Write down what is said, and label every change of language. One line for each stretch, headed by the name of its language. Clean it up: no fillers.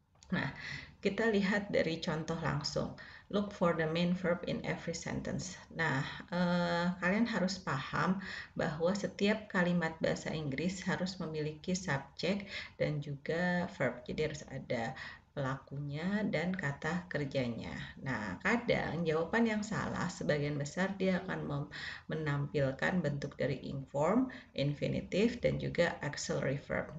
Indonesian: Nah, kita lihat dari contoh langsung.
English: Look for the main verb in every sentence.
Indonesian: Nah, kalian harus paham bahwa setiap kalimat bahasa Inggris harus memiliki subjek dan juga verb. Jadi harus ada pelakunya dan kata kerjanya. Nah, kadang jawaban yang salah sebagian besar dia akan menampilkan bentuk dari inform, infinitive, dan juga auxiliary verb.